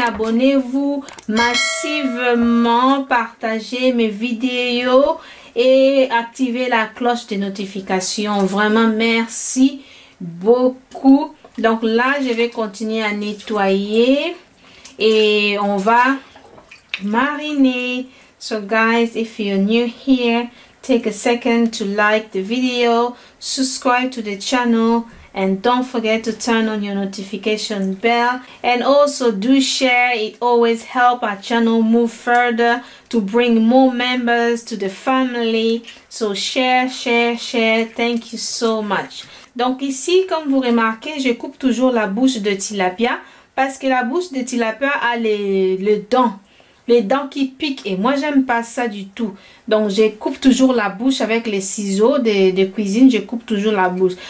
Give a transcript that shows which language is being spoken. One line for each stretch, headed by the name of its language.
French: Abonnez-vous massivement, partagez mes vidéos et activez la cloche de notification. Vraiment, merci beaucoup. Donc là, je vais continuer à nettoyer et on va mariner.
English: So guys, if you're new here, take a second to like the video, subscribe to the channel, and don't forget to turn on your notification bell. And also do share, it always helps our channel move further to bring more members to the family. So share, share, share, thank you so much.
French: Donc ici, comme vous remarquez, je coupe toujours la bouche de tilapia parce que la bouche de tilapia a les dents qui piquent et moi j'aime pas ça du tout. Donc je coupe toujours la bouche avec les ciseaux de cuisine, je coupe toujours la bouche.